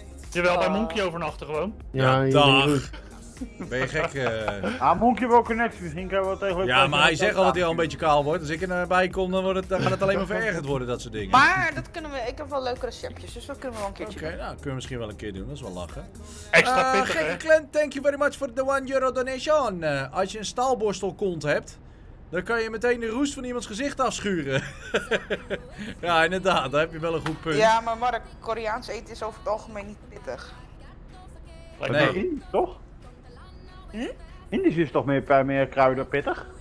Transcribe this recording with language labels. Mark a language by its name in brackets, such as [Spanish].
[Dutch] Jawel, bij Monkey overnachten gewoon. Ja, dag. Ben je gek? Monkey wil connecten, misschien kan je wel tegenwoordig... Ja, maar hij zegt al dat hij al een beetje kaal wordt. Als ik erbij kom, dan gaat het alleen maar verergerd worden, dat soort dingen. Maar dat kunnen we. Ik heb wel leuke receptjes, dus dat kunnen we wel een keertje doen. Oké, nou, kunnen we misschien wel een keer doen. Dat is wel lachen. Extra pittig, hè? [English] Gekke Clint, thank you very much for the 1 euro donation. [Dutch] Als je een staalborstelkont hebt, dan kan je meteen de roest van iemands gezicht afschuren. Ja, inderdaad, daar heb je wel een goed punt. Ja, maar Mark, Koreaans eten is over het algemeen niet pittig. Nee, toch? Indisch is toch meer kruiden pittig?